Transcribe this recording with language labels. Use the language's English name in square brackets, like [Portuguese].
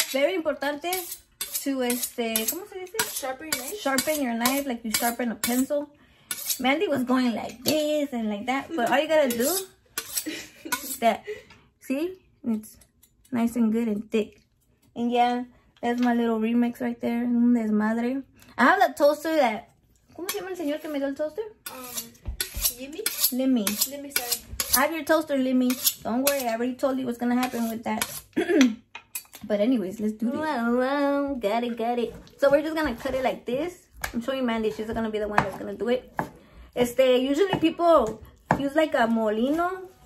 [Spanish] Very importante to, ¿cómo se dice? [English] Sharpen your knife. Sharpen your knife like you sharpen a pencil. Mandy was going like this and like that, but all you gotta do, that, see, it's nice and good and thick. And yeah, that's my little remix right there. [Spanish] Un desmadre. [English] I have that toaster that, [Spanish] ¿cómo se llama el señor que me dio el [English] toaster? Limmy, sorry. I have your toaster, Limmy. Don't worry, I already told you what's gonna happen with that. But anyways, let's do this. Well, got it. So we're just gonna cut it like this. I'm showing Mandy, she's gonna be the one that's gonna do it. Usually people use like a molino.